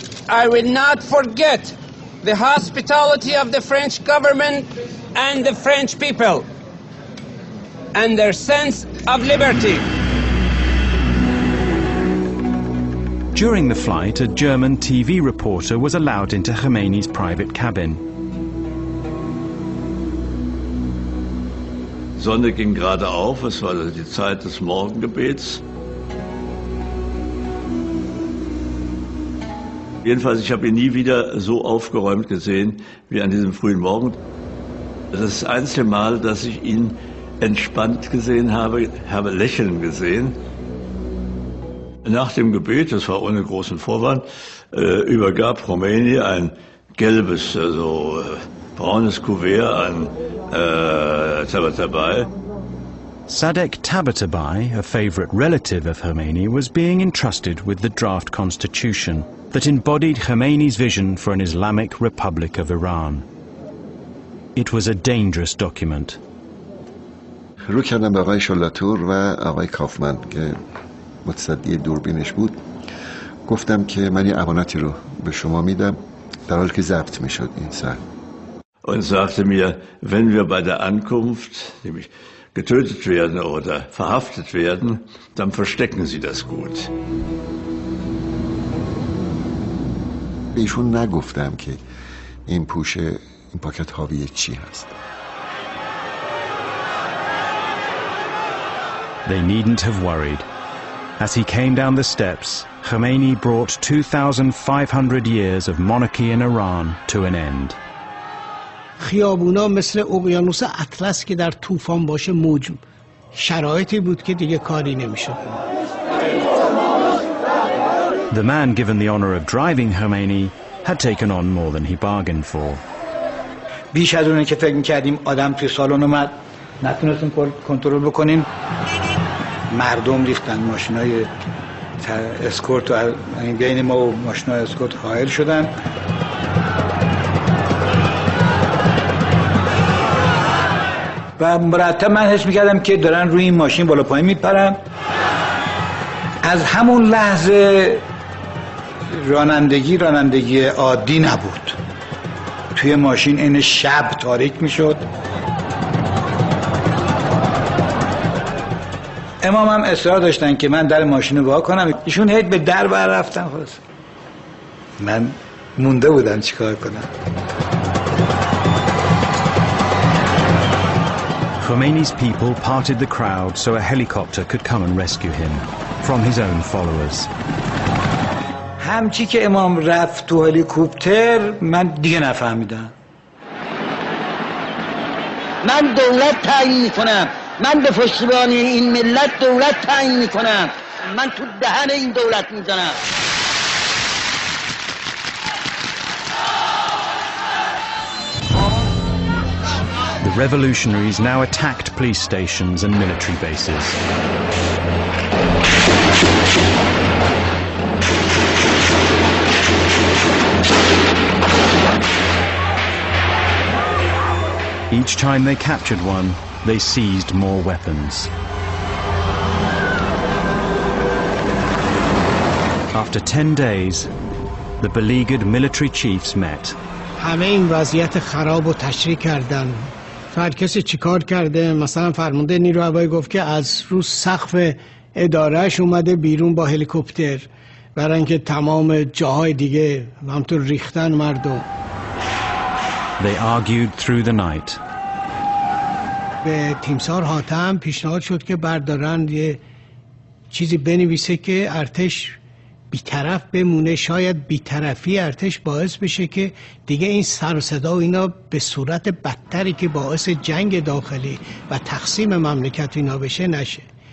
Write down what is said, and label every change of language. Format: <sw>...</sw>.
<en>I will not forget the hospitality of the French government and the French people and their sense of liberty. During the flight, a German TV reporter was allowed into Khomeini's private cabin.</en> <de>Sonne ging gerade auf, es war die Zeit des Morgengebets. Jedenfalls, ich habe ihn nie wieder so aufgeräumt gesehen wie an diesem frühen Morgen. Das ist das einzige Mal, dass ich ihn entspannt gesehen habe, habe lächeln gesehen. Nach dem Gebet, das war ohne großen Vorwand, übergab Khomeini ein gelbes, also braunes Kuvert an Tabatabai.</de> <en>Sadek Tabatabai, a favorite relative of Khomeini, was being entrusted with the draft constitution that embodied Khomeini's vision for an Islamic Republic of Iran. It was a dangerous document.</en> <fa>رو کردم به آقای شلاتور و آقای کافمن که متصدی دوربینش بود، گفتم که من یه امانتی رو به شما میدم، در حالی که ضبط میشد این سر.</fa> <de>Und sagte mir, wenn wir bei der Ankunft nämlich getötet werden oder verhaftet werden, dann verstecken Sie das gut.</de> <fa>بهشون نگفتم که این پوشه این پاکت حاوی چی هست.</fa> <en>They needn't have worried. As he came down the steps, Khomeini brought 2,500 years of monarchy in Iran to an end.</en> <fa>خیابونا مثل اقیانوس اطلس که در طوفان باشه موج، شرایطی بود که دیگه کاری نمیشد.</fa> <en>The man given the honor of driving Khomeini had taken on more than he bargained for.</en> <fa>بیش از اونی که فکر می‌کردیم آدم توی سالن اومد، نتونستیم کنترل بکنیم. مردم ریختن، ماشینای اسکورت و بین ما و ماشینای اسکورت حائل شدن. و مرتب من حس میکردم که دارن روی این ماشین بالا پایین میپرن. از همون لحظه رانندگی عادی نبود. توی ماشین این شب تاریک میشد. امام هم اصرار داشتن که من در ماشین رو وا کنم، ایشون هیچ به در بر رفتن. خلاص من مونده بودم چیکار کنم.</fa> <en>Khomeini's people parted the crowd so a helicopter could come and rescue him from his own followers.</en> <fa>همچی که امام رفت تو هلیکوپتر من دیگه نفهمیدم. من دولت تعیین میکنم، من به پشتیبانی این ملت دولت تعیین میکنم، من تو دهن این دولت میزنم. آه.</fa> <en>revolutionaries now attacked police stations and military bases. Each time they captured one, they seized more weapons. After 10 days, the beleaguered military chiefs met.</en> <fa>همه این وضعیت خراب رو تشریح کردن. فرد کسی چیکار کرده؟ مثلا فرمانده نیروی هوایی گفت که از رو سقف ادارهش اومده بیرون با هلیکوپتر برای اینکه تمام جاهای دیگه همطور ریختن مردم.</fa> <en>They argued through the night.</en> <fa>به تیمسار حاتم پیشنهاد شد که بردارن یه چیزی بنویسه که ارتش بیطرف بمونه، شاید بیطرفی ارتش باعث بشه که دیگه این سر و صدا و اینا به صورت بدتری که باعث جنگ داخلی و تقسیم مملکت اینا بشه نشه.</fa>